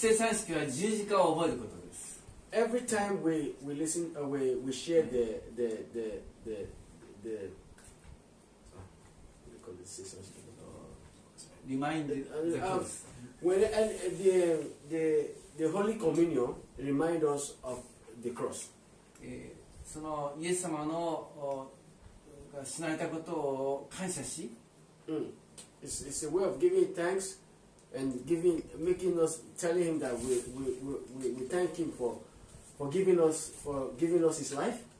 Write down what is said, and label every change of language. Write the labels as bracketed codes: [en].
[ja] 聖餐式は十字架を覚えることです。 [en] Every time we listen, we share the what do you call this? [ja] 聖餐式 [en] Remind the cross. When the Holy Communion remind us of the cross. [ja] そのイエス様のが死なれたことを感謝し。 [en] It's a way of giving thanks and giving, making us, telling him that we thank him for giving us his life.